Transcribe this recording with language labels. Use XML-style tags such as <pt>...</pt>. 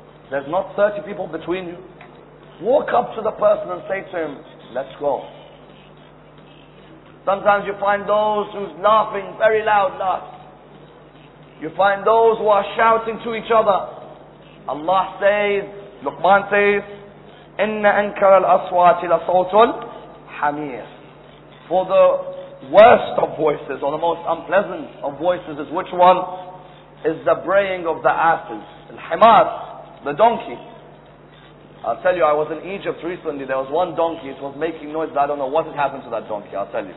<en>There's not 30 people between you. Walk up to the person and say to him, let's go. Sometimes you find those who's laughing very loud laugh. You find those who are shouting to each other. Allah says, Luqman says,</en> <ar>إِنَّ أَنْكَرَ الْأَصْوَاتِ لَصَوْتُ الْحَمِيرِ.</ar> <en>For the worst of voices, or the most unpleasant of voices, is which one? Is the braying of the asses. Al-Himar, the donkey. I'll tell you, I was in Egypt recently, there was one donkey, it was making noises, I don't know what had happened to that donkey, I'll tell you.</en>